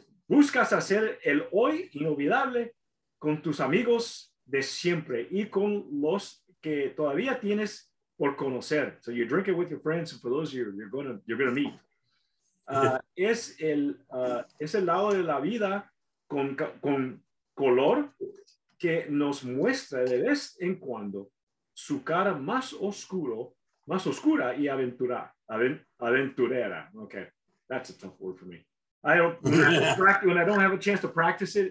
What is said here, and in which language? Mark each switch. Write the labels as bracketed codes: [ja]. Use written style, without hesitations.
[es] Buscas hacer el hoy inolvidable con tus amigos de siempre y con los que todavía tienes por conocer. [en] So you drink it with your friends, and for those you're gonna meet. [es] Es el lado de la vida con color que nos muestra de vez en cuando su cara más oscura y aventurera. [en] Okay, that's a tough word for me. I don't when I don't have a chance to practice it.